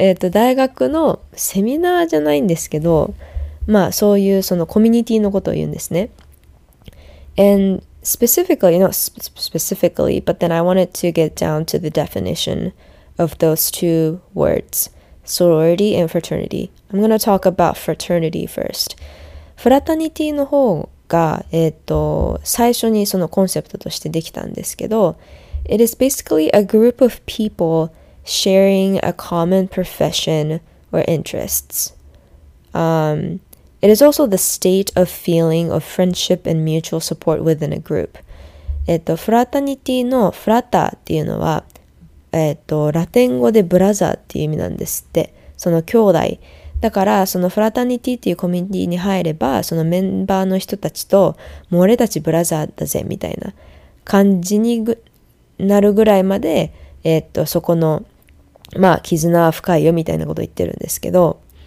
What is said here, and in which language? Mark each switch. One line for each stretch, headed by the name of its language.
Japanese: 大学のセミナーじゃないんですけど、まあそういうそのコミュニティのことを言うんですね。
English: And specifically, not specifically, but then I wanted to get down to the definition of those two words, sorority and fraternity. I'm going to talk about fraternity first.
Japanese: フラタニティの方が、最初にそのコンセプトとしてできたんですけど、
English: It is basically a group of people sharing a common profession or interests. It is also the state of feeling of friendship and mutual support within a group.
Japanese: フラタニティのフラタっていうのは、ラテン語でブラザーっていう意味なんですって。その兄弟。だから、そのフラタニティっていうコミュニティに入れば、そのメンバーの人たちと、もう俺たちブラザーだぜみたいな感じになるぐらいまで、そこの、まあ、絆は深いよみたいなことを言ってるんですけど、